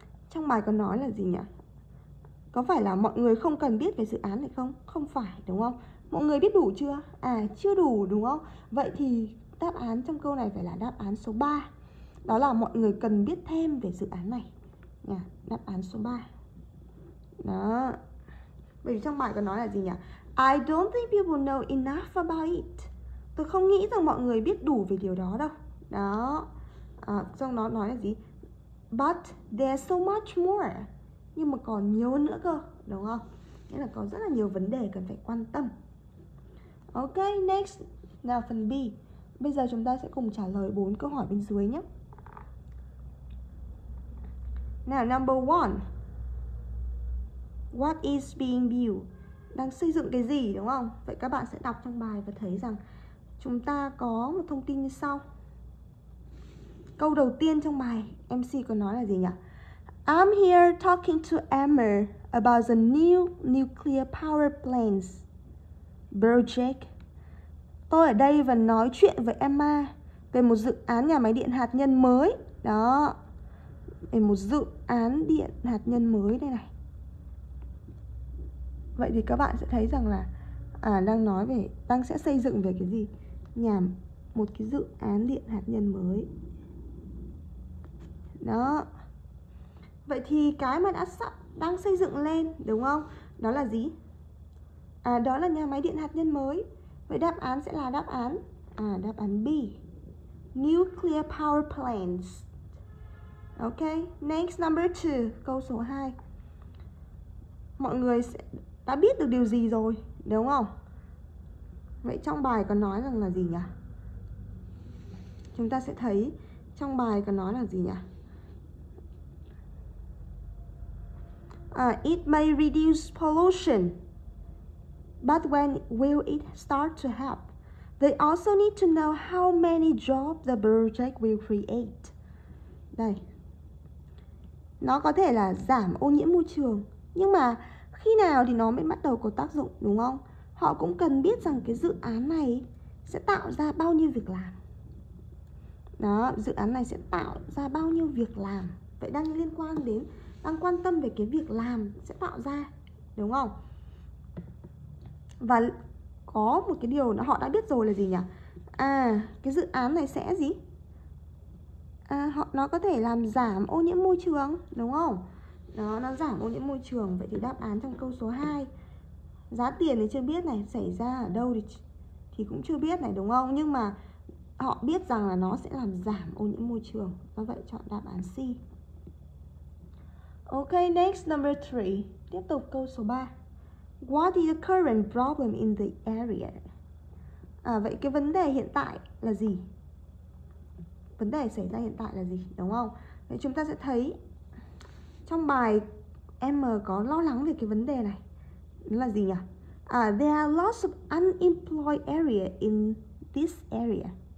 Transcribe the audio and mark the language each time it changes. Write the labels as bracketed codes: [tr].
[vi] Trong bài có nói là gì nhỉ? Có phải là mọi người không cần biết về dự án này không? Không phải, đúng không? Mọi người biết đủ chưa? Chưa đủ, đúng không? Vậy thì đáp án trong câu này phải là đáp án số 3. Đó là mọi người cần biết thêm về dự án này. Đáp án số 3. Đó. Bởi vì trong bài có nói là gì nhỉ? [en] I don't think people know enough about it. [vi] Tôi không nghĩ rằng mọi người biết đủ về điều đó đâu. Đó. Xong nó nói là gì? [en] But there's so much more. [vi] Nhưng mà còn nhiều hơn nữa cơ, đúng không? Nghĩa là có rất là nhiều vấn đề cần phải quan tâm. Ok, next. Nào phần B. Bây giờ chúng ta sẽ cùng trả lời 4 câu hỏi bên dưới nhé. [en] Now, number 1. What is being built? [vi] Đang xây dựng cái gì, đúng không? Vậy các bạn sẽ đọc trong bài và thấy rằng chúng ta có một thông tin như sau. Câu đầu tiên trong bài, MC có nói là gì nhỉ? I'm here talking to Emma about the new nuclear power plants project. Tôi ở đây và nói chuyện với Emma về một dự án nhà máy điện hạt nhân mới. Đó. Về một dự án điện hạt nhân mới đây này. Vậy thì các bạn sẽ thấy rằng là đang nói về, đang sẽ xây dựng về cái gì? Nhà một cái dự án điện hạt nhân mới. Đó. Vậy thì cái mà đã sắp đang xây dựng lên, đúng không? Đó là gì? Đó là nhà máy điện hạt nhân mới. Vậy đáp án sẽ là đáp án B. [en] Nuclear power plants. Ok, next number 2, [vi] câu số 2. Mọi người đã biết được điều gì rồi, đúng không? Vậy trong bài có nói rằng là gì nhỉ? Chúng ta sẽ thấy trong bài có nói là gì nhỉ? [en] It may reduce pollution, but when will it start to help? They also need to know how many jobs the project will create. [vi] Đây. Nó có thể là giảm ô nhiễm môi trường, nhưng mà khi nào thì nó mới bắt đầu có tác dụng, đúng không? Họ cũng cần biết rằng cái dự án này sẽ tạo ra bao nhiêu việc làm. Đó, dự án này sẽ tạo ra bao nhiêu việc làm. Vậy đang liên quan đến, đang quan tâm về cái việc làm sẽ tạo ra, đúng không? Và có một cái điều họ đã biết rồi là gì nhỉ? Cái dự án này sẽ gì? Nó có thể làm giảm ô nhiễm môi trường, đúng không? Đó, nó giảm ô nhiễm môi trường. Vậy thì đáp án trong câu số 2, giá tiền thì chưa biết này, xảy ra ở đâu thì cũng chưa biết này, đúng không? Nhưng mà họ biết rằng là nó sẽ làm giảm ô nhiễm môi trường. Do vậy chọn đáp án C. [en] Ok, next number 3. [vi] Tiếp tục câu số 3. [en] What is the current problem in the area? [vi] Vậy cái vấn đề hiện tại là gì? Vấn đề xảy ra hiện tại là gì, đúng không? Vậy chúng ta sẽ thấy trong bài M có lo lắng về cái vấn đề này. Nó là gì nhỉ? [en] There are lots of unemployed area in this area.